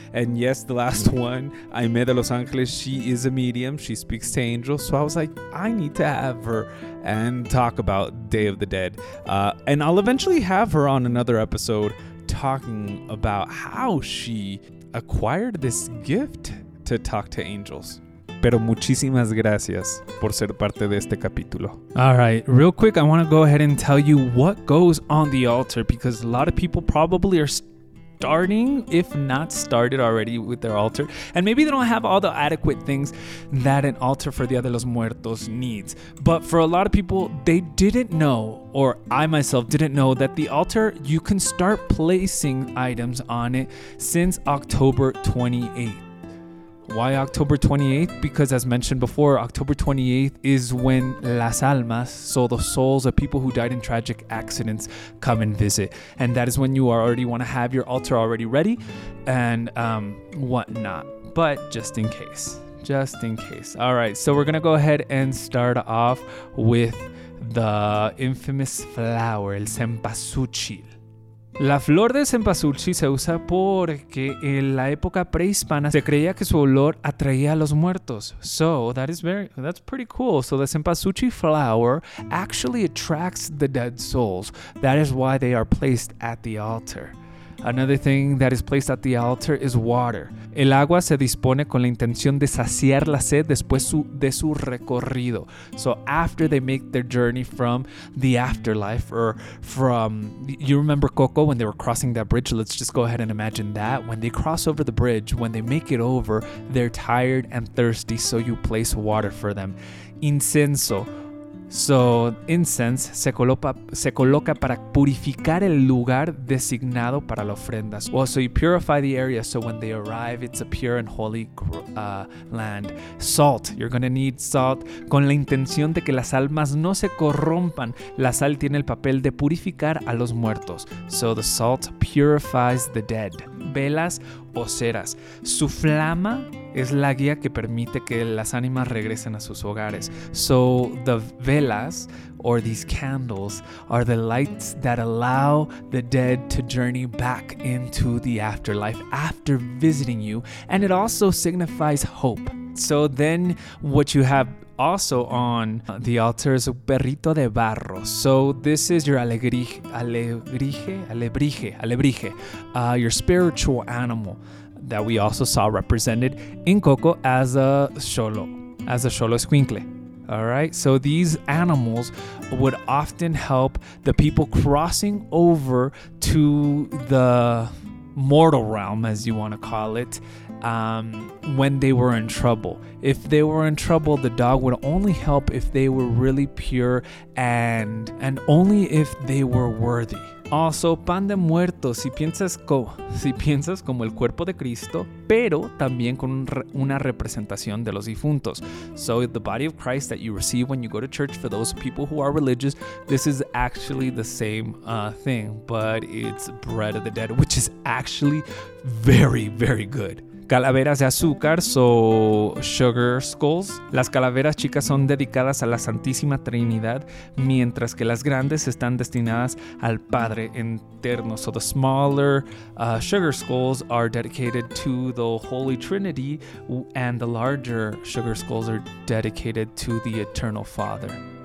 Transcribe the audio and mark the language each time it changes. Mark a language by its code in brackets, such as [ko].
[en] And yes, the last one, Aime de Los Angeles, she is a medium. She speaks to angels. So I was like, I need to have her and talk about Day of the Dead. And I'll eventually have her on another episode talking about how she acquired this gift to talk to angels. [es] Pero muchísimas gracias por ser parte de este capítulo. [en] All right, real quick, I want to go ahead and tell you what goes on the altar, because a lot of people probably are starting, if not started already, with their altar. And maybe they don't have all the adequate things that an altar for Día de los Muertos needs. But for a lot of people, they didn't know, or I myself didn't know, that the altar, you can start placing items on it since October 28th. Why October 28th? Because as mentioned before, October 28th is when [es] las almas, [en] so the souls of people who died in tragic accidents, come and visit. And that is when you already want to have your altar already ready and whatnot. But just in case. Just in case. All right, so we're going to go ahead and start off with the infamous flower, el cempasúchil. [es] La flor de cempasúchil se usa porque en la época prehispana se creía que su olor atraía a los muertos. [en] So that's pretty cool. So the cempasúchil flower actually attracts the dead souls. That is why they are placed at the altar. Another thing that is placed at the altar is water. [es] El agua se dispone con la intención de saciar la sed después de su recorrido. [en] So after they make their journey from the afterlife, or from, you remember Coco when they were crossing that bridge? Let's just go ahead and imagine that. When they cross over the bridge, when they make it over, they're tired and thirsty, so you place water for them. Incenso. So, incense [es] se coloca para purificar el lugar designado para la ofrenda. [en] Well, so you purify the area, so when they arrive, it's a pure and holy land. Salt, you're gonna need salt. [es] Con la intención de que las almas no se corrompan, la sal tiene el papel de purificar a los muertos. [en] So the salt purifies the dead. [es] Velas o ceras. Su flama es la guía que permite que las ánimas regresen a sus hogares. [en] So the velas, or these candles, are the lights that allow the dead to journey back into the afterlife after visiting you. And it also signifies hope. So then what you have also on the altar is a perrito de barro. So this is your alebrije, your spiritual animal that we also saw represented in Coco as a xolo escuincle. All right, so these animals would often help the people crossing over to the mortal realm, as you want to call it, when they were in trouble. If they were in trouble, the dog would only help if they were really pure and only if they were worthy. [es] Also, pan de muertos, si piensas como el cuerpo de Cristo, pero también con una representación de los difuntos. [en] So the body of Christ that you receive when you go to church, for those people who are religious, this is actually the same thing, but it's bread of the dead, which is actually very, very good. [es] Calaveras de azúcar, [en] so sugar skulls. [es] Las calaveras chicas son dedicadas a la Santísima Trinidad, mientras que las grandes están destinadas al Padre Eterno. [en] So the smaller sugar skulls are dedicated to the Holy Trinity, and the larger sugar skulls are dedicated to the Eternal Father.